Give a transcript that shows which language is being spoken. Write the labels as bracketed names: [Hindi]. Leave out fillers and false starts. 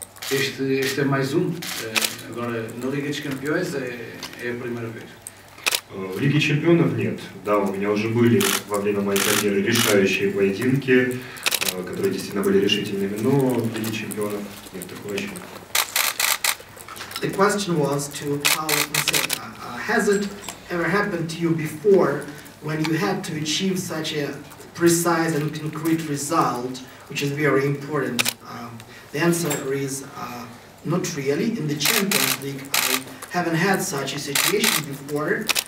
[Portuguese] Este é mais um. Agora, na Liga dos Campeões, é a primeira vez. [Russian] В Лиге Чемпионов нет. Да, у меня уже были во время моей карьеры решающие поединки, которые действительно были решительными, но в Лиге Чемпионов нет такого еще. [English] The question was to Paulo Fonseca. Has it ever happened to you before when you had to achieve such a precise and concrete result, which is very important? The answer is not really. In the Champions League I haven't had such a situation before.